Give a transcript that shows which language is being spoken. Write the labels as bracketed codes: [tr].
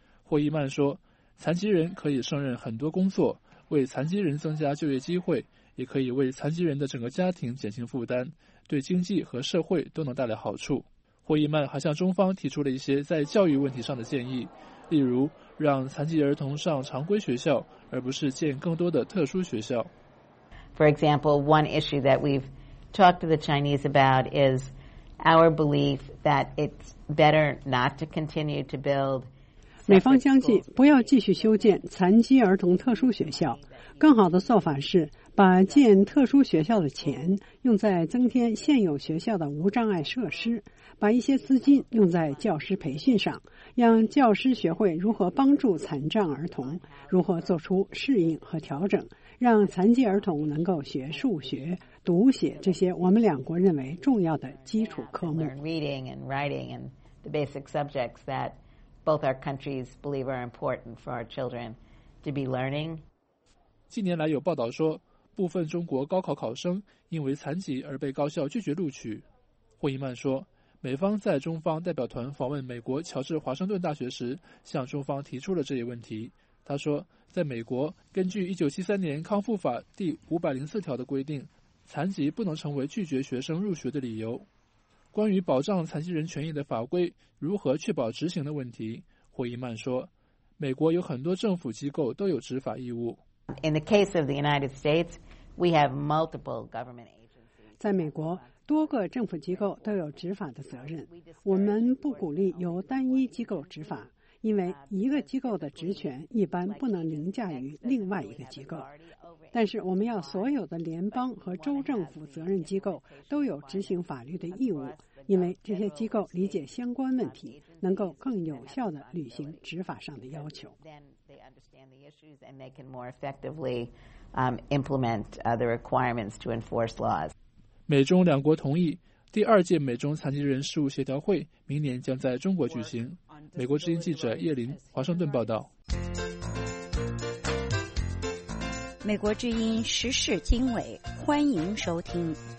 [zh] 霍伊曼说，残疾人可以胜任很多工作，为残疾人增加就业机会，也可以为残疾人的整个家庭减轻负担，对经济和社会都能带来好处。霍伊曼还向中方提出了一些在教育问题上的建议，例如让残疾儿童上常规学校，而不是建更多的特殊学校。 [en] For example, one issue that we've talked to the Chinese about is our belief that it's better not to continue to build. [zh] 美方相信不要继续修建残疾儿童特殊学校，更好的做法是把建特殊学校的钱用在增添现有学校的无障碍设施，把一些资金用在教师培训上，让教师学会如何帮助残障儿童，如何做出适应和调整，让残疾儿童能够学数学、读写这些我们两国认为重要的基础科目。 [en] Reading and writing and the basic subjects that both our countries believe are important for our children to be learning. [zh] 近年来有报道说，部分中国高考考生因为残疾而被高校拒绝录取。霍伊曼说，美方在中方代表团访问美国乔治华盛顿大学时向中方提出了这一问题。他说，在美国根据1973年康复法第504条的规定，残疾不能成为拒绝学生入学的理由。关于保障残疾人权益的法规如何确保执行的问题，霍伊曼说，美国有很多政府机构都有执法义务。 [en] In the case of the United States, we have multiple government agencies. [zh] 在美国，多个政府机构都有执法的责任。我们不鼓励由单一机构执法，因为一个机构的职权一般不能凌驾于另外一个机构。但是我们要所有的联邦和州政府责任机构都有执行法律的义务，因为这些机构理解相关问题，能够更有效地履行执法上的要求。 [en] And they can more effectively implement the requirements to enforce laws. [zh] 美中两国同意，第二届美中残疾人事务协调会明年将在中国举行。美国之音记者叶林，华盛顿报道。美国之音时事经纬，欢迎收听。